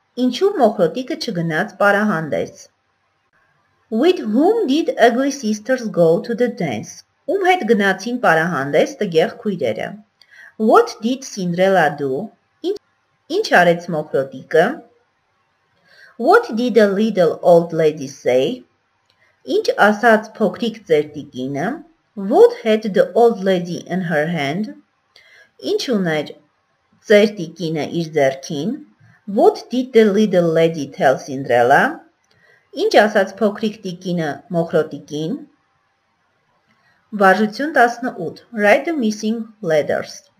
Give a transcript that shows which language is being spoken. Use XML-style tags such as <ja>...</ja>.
<hy>Ինչու մոխրոտիկը չգնաց պարահանդես?</hy> <en>With whom did ugly sisters go to the dance?</en> <hy>Ում հետ գնացին պարահանդես տղեղ քույրերը?</hy> <en>What did Cinderella do?</en> <hy>Ինչ արեց մոխրոտիկը?</hy> <en>What did the little old lady say?</en> <hy>Ինչ ասաց փոքրիկ ծեր տիկինը?</hy> <en>What had the old lady in her hand?</en> <hy>Ինչ ուներ ծեր տիկինը իր ձեռքին?</hy> <en>What did the little lady tell Cinderella?</en> <hy>Ինչ ասաց փոքրիկ տիկինը մոխրոտիկին? Վարժություն 18.</hy> <en>Write the missing letters.</en>